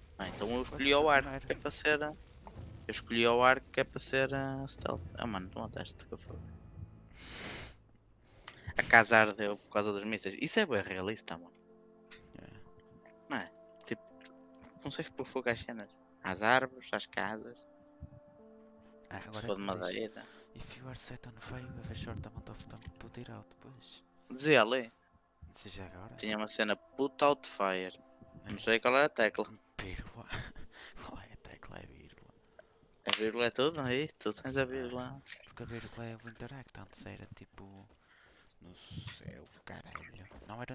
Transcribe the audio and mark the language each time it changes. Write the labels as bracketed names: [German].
[Portuguese] Ah, então eu escolhi o arco que é para ser. Eu escolhi o arco que é para ser a stealth. Ah, oh, mano, toma teste que eu falei. A casa ardeu por causa das mísseis. Isso é bem realista, mano. Não é? Tipo, consegues pôr fogo às cenas? Às árvores, às casas. Agora se for de madeira. [English] If you are set on fire, have a short amount of time to put it out, pois. [Portuguese] Dizia ali. Dizia agora. Tinha uma cena [English] put out fire. [Portuguese] Não sei qual era a tecla. Vírgula. Qual é a tecla? É a vírgula. A vírgula é tudo, não é? Tu tens a vírgula. Porque a vírgula é o interact, antes era tipo. No céu, caralho. Não era